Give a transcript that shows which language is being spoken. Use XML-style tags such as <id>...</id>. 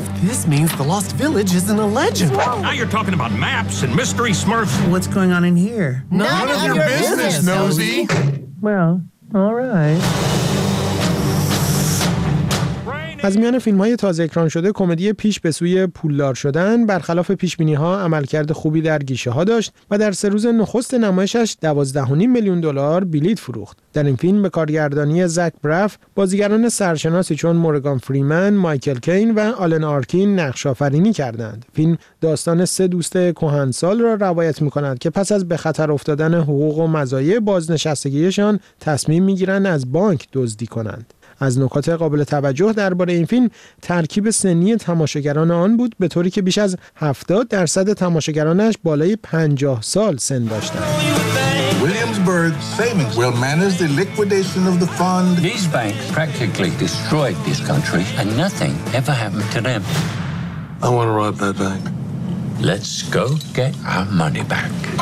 <en>This means the lost village isn't a legend. Now you're talking about maps and mystery smurfs. What's going on in here? None of your business, Nosy. Well, all right.</en> <fa>از میان فیلم‌های تازه اکران شده، کمدی پیش به سوی پولدار شدن برخلاف پیشبینی‌ها عملکرد خوبی در گیشه‌ها داشت و در سه روز نخست نمایشش 12.5 میلیون دلار بلیط فروخت. در این فیلم به کارگردانی زک براف، بازیگران سرشناسی چون مورگان فریمن، مایکل کین و آلن آرکین نقش‌آفرینی کردند. فیلم داستان سه دوست کهنسال را روایت می‌کند که پس از به خطر افتادن حقوق و مزایای بازنشستگیشان، تصمیم می‌گیرند از بانک دزدی کنند. از نکات قابل توجه درباره این فیلم، ترکیب سنی تماشاگران آن بود، به طوری که بیش از 70% تماشاگرانش بالای 50 سال سن داشتند.</fa> <en>Williamsburg Savings will manage the liquidation of the fund. These banks practically destroyed this country and nothing ever happened to them. I want to rob that bank. Let's go get our money back.</en>